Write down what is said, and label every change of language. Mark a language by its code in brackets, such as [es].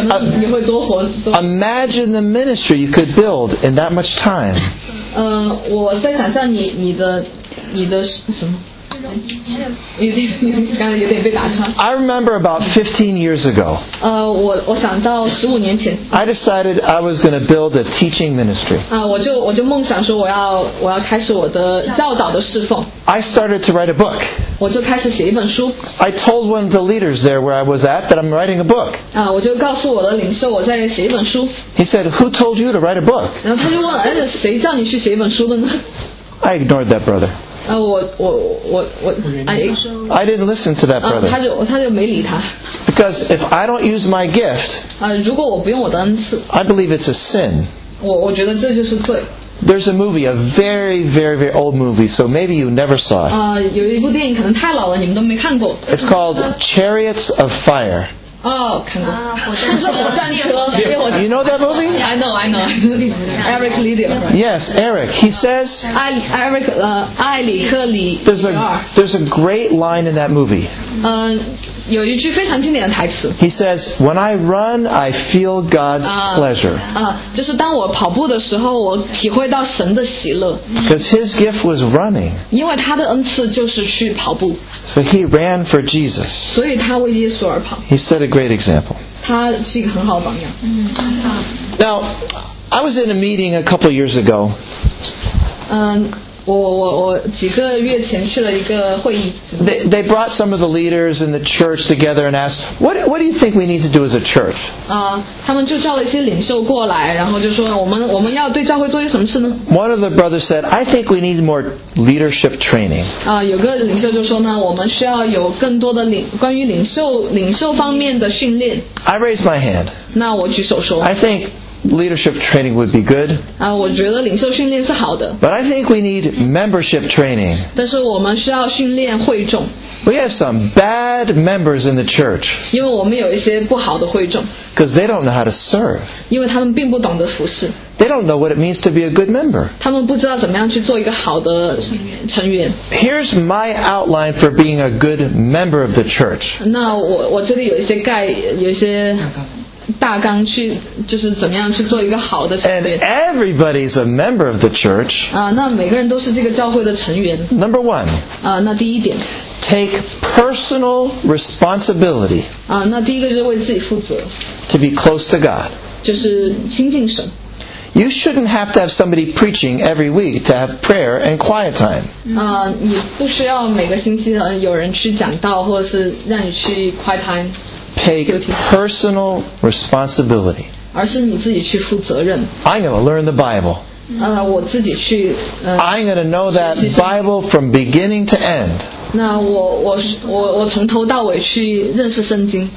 [en] imagine the ministry you could build in that much time. [zh] 我在想象你的什么 [en] I remember about 15 years ago. [zh] 我想到15年前。 [en] I decided I was going to build a teaching ministry. [zh] 我就梦想说我要开始我的教导的侍奉。 [en] I started to write a book. [zh] 我就开始写一本书。 [en] I told one of the leaders there where I was at that I'm writing a book. [zh] 我就告诉我的领袖我在写一本书。 [en] He said, "Who told you to write a book?" [zh] 然后他就问，谁叫你去写一本书的呢？ [en] I ignored that brother. I didn't listen to that brother. [zh] 他就没理他。 [en] Because if I don't use my gift, [zh] 如果我不用我的恩赐， [en] I believe it's a sin. [zh] 我觉得这就是罪。 [en] There's a movie, a very, very, very old movie, so maybe you never saw it. [zh] 有一部电影可能太老了，你们都没看过。 [en] It's called Chariots of Fire. [zh] 看过。是火战车。 [en] You know that movie? I know. Eric Lidia. Yes, Eric. He says. Eric, I Li Ke Li. There's a great line in that movie. [zh] 有一句非常经典的台词。 [en] He says, "When I run, I feel God's pleasure." [zh] 就是当我跑步的时候，我体会到神的喜乐。 [en] Because his gift was running. [zh] 因为他的恩赐就是去跑步。 [en] So he ran for Jesus. [zh] 所以他为耶稣而跑。 [en] He set a great example. [zh] 他是一个很好的榜样。 [en] Now, I was in a meeting a couple years ago. [zh] 我几个月前去了一个会议。 [en] They brought some of the leaders in the church together and asked, what do you think we need to do as a church? [zh] 他们就叫了一些领袖过来，然后就说我们要对教会做些什么事呢？ [en] One of the brothers said, I think we need more leadership training. [zh] 有个领袖就说呢，我们需要有更多的关于领袖方面的训练。 [en] I raised my hand. [zh] 那我举手说。 [en] I think. Leadership training would be good. [zh] 我觉得领袖训练是好的。 [en] But I think we need membership training. [zh] 但是我们需要训练会众。 [en] We have some bad members in the church. [zh] 因为我们有一些不好的会众。 [en] Because they don't know how to serve. [zh] 因为他们并不懂得服侍。 [en] They don't know what it means to be a good member. [zh] 他们不知道怎么样去做一个好的成员。 [en] Here's my outline for being a good member of the church. [zh] 那我这里有一些概，有一些。大纲去就是怎么样去做一个好的成员。 [en] And everybody's a member of the church. [zh] 那每个人都是这个教会的成员。 [en] Number one. [zh] 那第一点。 [en] Take personal responsibility. [zh] 那第一个就是为自己负责。 [en] To be close to God. [zh] 就是亲近神。 [en] You shouldn't have to have somebody preaching every week to have prayer and quiet time. [zh] 你不需要每个星期有人去讲道，或者是让你去 quiet time. [en] Take personal responsibility. [zh] 而是你自己去负责任。 [en] I'm going to learn the Bible. [zh] 我自己去。 [en] I'm going to know that Bible from beginning to end. [zh] 那我从头到尾去认识圣经。